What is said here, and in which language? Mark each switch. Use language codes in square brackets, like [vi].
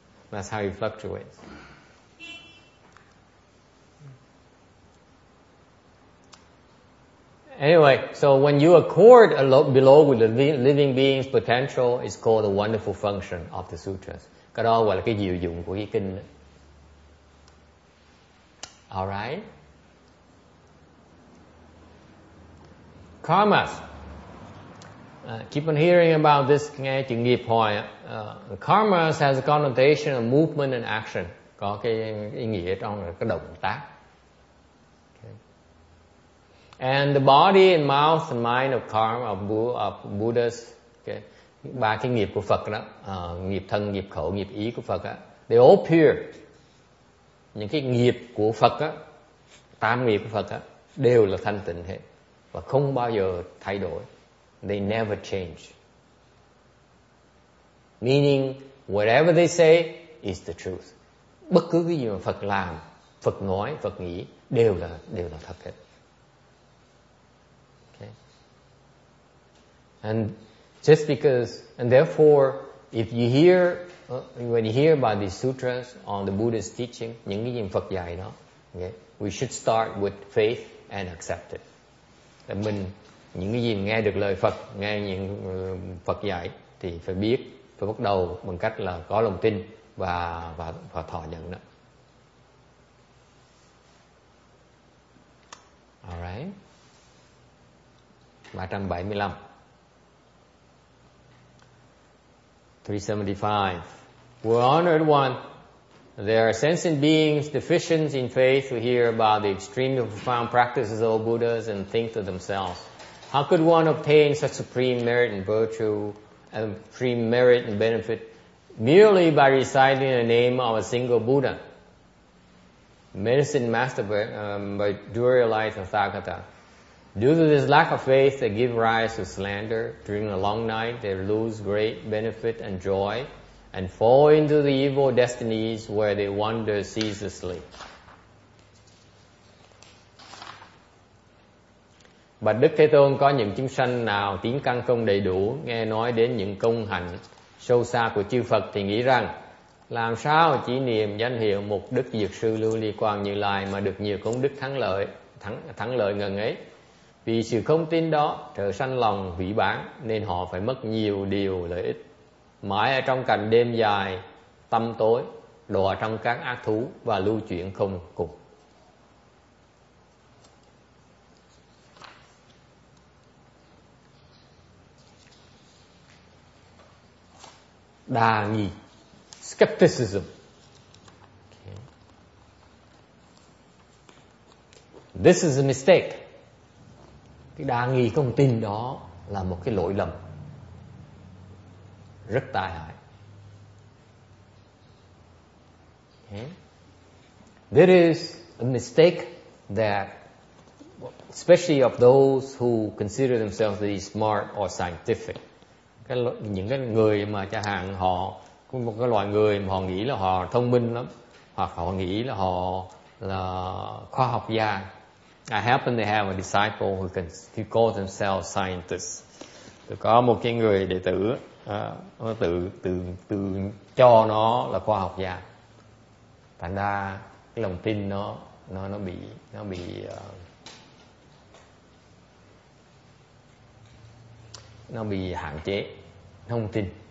[en] That's how he fluctuates. Anyway, so when you accord a lot below with the living being's potential, it's called the wonderful function of the sutras. [vi] Cái đó gọi là cái diệu dụng của cái kinh. [en] All right. Karmas. Keep on hearing about this [vi] nghe chữ nghiệp hoài. [en] Karmas has a connotation of movement and action. [vi] Có cái nghĩa trong cái động tác. Okay. [en] And the body and mouth and mind of karma of Buddhas. Okay. [vi] Ba cái nghiệp của Phật đó, nghiệp thân, nghiệp khẩu, nghiệp ý của Phật á, [en] they all appear. [vi] Những cái nghiệp của Phật á, tam nghiệp của Phật á, đều là thanh tịnh hết. Và không bao giờ thay đổi. [en] They never change. Meaning, whatever they say is the truth. [vi] Bất cứ cái gì mà Phật làm, Phật nói, Phật nghĩ, đều là thật hết. [en] Okay. And just because, and therefore, if you hear, when you hear about these sutras on the Buddha's teaching, [vi] những cái gì mà Phật dạy đó, [en] okay, we should start with faith and accept it. [vi] Mình những cái gì nghe được lời Phật, nghe những Phật dạy thì phải biết, phải bắt đầu bằng cách là có lòng tin và thọ nhận đó. [en] All right. 375. 375. We're honored one. There are sentient beings deficient in faith who hear about the extremely profound practices of Buddhas and think to themselves, how could one obtain such supreme merit and virtue and supreme merit and benefit merely by reciting the name of a single Buddha? Medicine master by Durya Light Tathagata. Due to this lack of faith, they give rise to slander. During a long night, they lose great benefit and joy and fall into the evil destinies where they wander ceaselessly. [vi] Bạch Đức Thế Tôn, có những chúng sanh nào tiến căn không đầy đủ, nghe nói đến những công hạnh sâu xa của chư Phật thì nghĩ rằng làm sao chỉ niệm danh hiệu một đức dược sư Lưu Ly Quang Như Lai mà được nhiều công đức thắng lợi, thắng lợi ngần ấy. Vì sự không tin đó trở sanh lòng hủy bán, nên họ phải mất nhiều điều lợi ích, mãi ở trong cảnh đêm dài tăm tối, đọa trong các ác thú và lưu chuyển không cùng. Đa nghi, skepticism. [en] This is a mistake. [vi] Cái đa nghi không tin đó là một cái lỗi lầm rất tai hại. [en] There is a mistake that, especially of those who consider themselves to be smart or scientific. [vi] Những cái người mà cha hàng họ, một cái loại người mà họ nghĩ là họ thông minh lắm, hoặc họ nghĩ là họ là khoa học gia. [en] I happen to have a disciple who can who calls themselves scientist. [vi] Tôi có một cái người đệ tử nó tự cho nó là khoa học gia. Thành ra cái lòng tin nó bị nó bị hạn chế, nó không tin.